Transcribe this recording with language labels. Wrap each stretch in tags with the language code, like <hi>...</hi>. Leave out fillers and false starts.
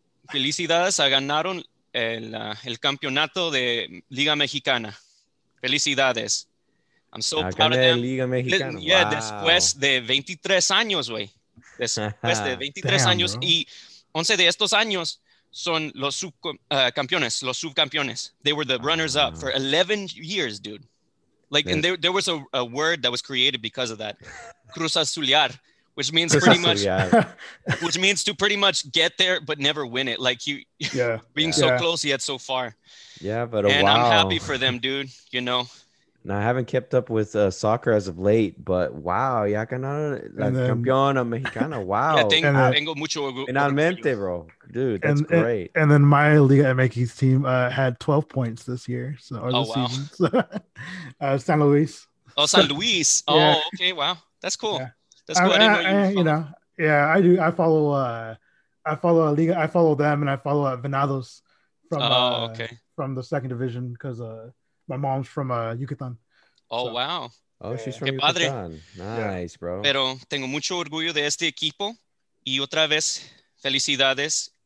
<es>Felicidades, ganaron el campeonato de Liga Mexicana. Felicidades.</es> <en>I'm so proud of them.</en> <es>Liga Mexicana.</es> <en>Yeah, wow.</en> <es>Después de 23 años, güey. Después de 23</es> <en>damn,</en> <es>años,</es> <en>bro.</en> <es>Y 11 de estos años son los subcampeones, los subcampeones.</es> <en>They were the runners up for 11 years, dude. Like, and there was a word that was created because of that. Cruz Azulear. Which means pretty much, which means to pretty much get there but never win it. Like you, being so close yet so far. Yeah, but and I'm happy for them, dude. You know. Now I haven't kept up with soccer as of late, but wow,</en> <es>ya ganaron la campeona mexicana.</es> <en>Wow. Yeah,</en> <es>tengo mucho orgullo. Finalmente,</es> <en>bro, dude, that's great. And then my Liga MX team had 12 points this year, so or this season. So, San Luis. Oh, San Luis. Oh, okay. Wow, that's cool. Yeah. I do. I follow. I follow a Liga. I follow them, and I follow Venados from from the second division because my mom's from Yucatan. Oh so, wow! Oh, yeah. She's from Yucatan.</en> <es>Padre.</es> <en>Nice, bro.</en> <es>Pero tengo mucho orgullo de este equipo y otra vez felicidades.</es>